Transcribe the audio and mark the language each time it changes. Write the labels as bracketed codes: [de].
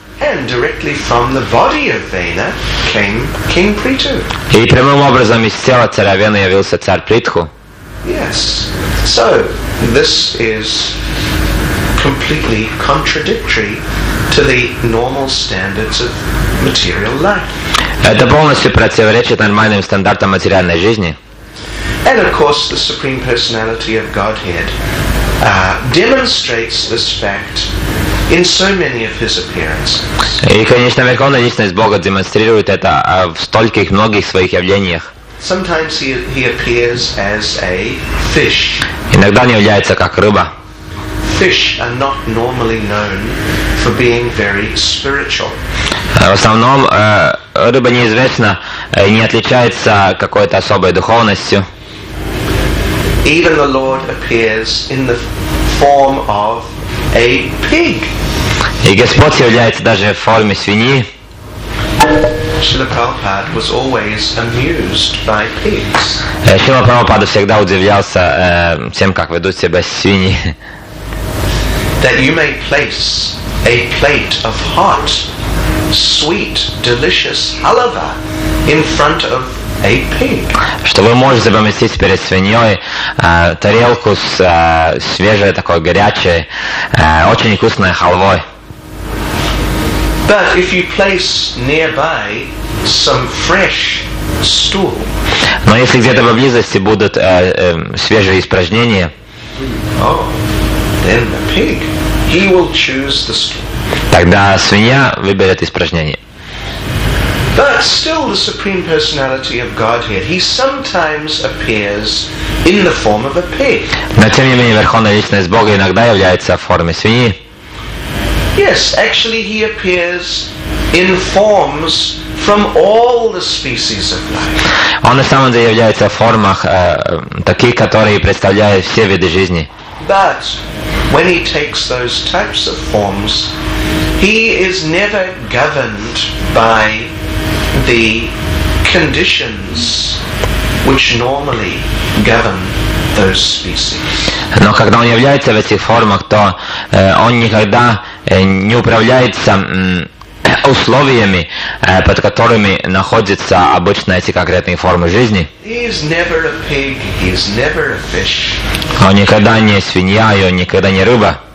[en] And directly from the body of Vena came King Prithu. [ru] И прямым образом из тела царя Вены явился царь Притху. [en] Yes. So this is completely contradictory to the normal standards of material life. [ru] Это полностью противоречит нормальным стандартам материальной жизни. [en] And of course, the Supreme Personality of Godhead demonstrates this fact in so many of his appearances. [ru] И, конечно, Верховная Личность Бога демонстрирует это в стольких многих своих явлениях. [en] Sometimes he appears as a fish. [ru] Иногда он является как рыба. [en] fish are not normally known for being very spiritual. [ru] В основном рыба неизвестна и не отличается какой-то особой духовностью. [en] Even the Lord appears in the form of a pig. [ru] И Господь является даже в форме свиньи. [en] Srila Prabhupada was always amused by pigs. [ru] Srila Prabhupada всегда удивлялся тем, как ведут себя свиньи. [en] That you may place a plate of hot, sweet, delicious halava in front of a pig. [ru] Что вы можете поместить перед свиньей тарелку с свежей такой горячей, очень вкусной халвой. [en] But if you place nearby some fresh stool, [ru] но если где-то поблизости будут свежие испражнения, [en] oh, then the pig, he will choose the stool. [ru] Тогда свинья выберет испражнение. [en] But still, the Supreme Personality of Godhead, he sometimes appears in the form of a pig. [ru] Но тем не менее верховная личность Бога иногда является в форме свиньи. [en] Yes, actually he appears in forms from all the species of life. [ru] Он на самом деле является в формах таких, которые представляют все виды жизни. [en] But when he takes those types of forms, he is never governed by the conditions which normally govern those species. [ru] Но когда он является в этих формах, то он никогда не управляется условиями, под которыми находятся обычно эти конкретные формы жизни. Он никогда не свинья, и он никогда не рыба.